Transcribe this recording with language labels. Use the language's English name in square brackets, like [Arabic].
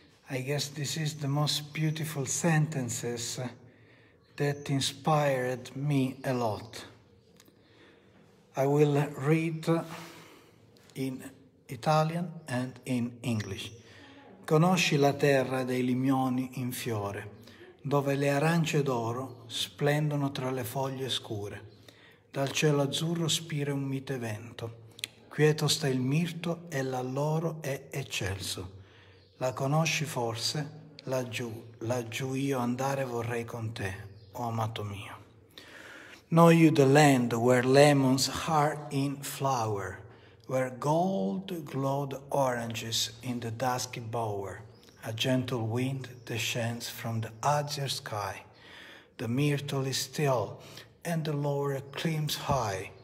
[English] I guess this is the most beautiful sentences that inspired me a lot. I will read in Italian and in English. [Italian] Conosci la terra dei limioni in fiore, dove le arance d'oro splendono tra le foglie scure. Dal cielo azzurro spira un mite vento. Quieto sta il mirto e l'alloro è eccelso. La conosci forse? Laggiù, laggiù io andare vorrei con te, o amato mio. [English] Know you the land where lemons are in flower, where gold glowed oranges in the dusky bower, a gentle wind descends from the azure sky. The myrtle is still, and the laurel climbs high.